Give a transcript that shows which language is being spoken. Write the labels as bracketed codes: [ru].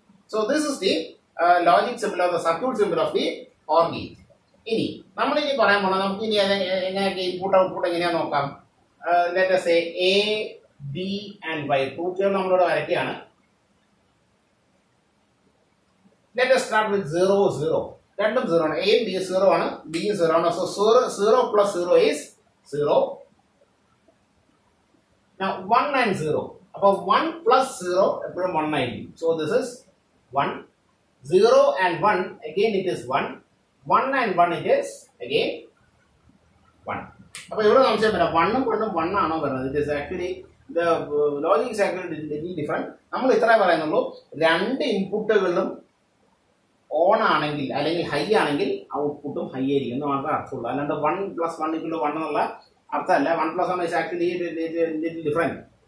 [en] So this is the logic symbol of the circuit symbol of the OR gate. [ml] ഇനി നമ്മൾ ഇനി പറയാൻ പോകുന്നത് നമുക്ക് ഇനി എങ്ങനെയൊക്കെ ഇൻപുട്ട് ഔട്ട്പുട്ട് എങ്ങനെയാ നോക്കാം. [en] let us say A B and Y too [ml] നമ്മളിവിടെ വരയ്ക്കുകയാണ്. [en] let us start with 0 0, [ml] രണ്ടും 0 ആണ്, എയും ബിയും 0 ആണ്, ബിയും 0 ആണ്. [en] So 0 plus 0 is 0. One and 0, [ml] അപ്പോൾ 1 + 0 എപ്പോഴും 1 ആയിരിക്കും. [en] So this is 1, 0 and 1, again it is 1, 1 and 1 it is again 1. [ml] അപ്പോൾ ഇവിടെ നമുക്ക് ചെയ്യാൻ പറ്റാം, 1 ഉം 1 ആണോ വരുന്നത്. [en] It is actually the logic cycle different. [ml] നമ്മൾ ഇത്രേ പറയുന്നുള്ളൂ, രണ്ട് ഇൻപുട്ടുകളും ഓൺ ആണെങ്കിൽ അല്ലെങ്കിൽ ഹൈ ആണെങ്കിൽ ഔട്ട്പുട്ടും ഹൈ ആയിരിക്കും എന്ന് മാത്രമേ അർത്ഥമുള്ളൂ. അല്ലാണ്ട് 1 + 1 = 1 എന്നുള്ള അർത്ഥമല്ല. [en] 1 + 1 is actually different.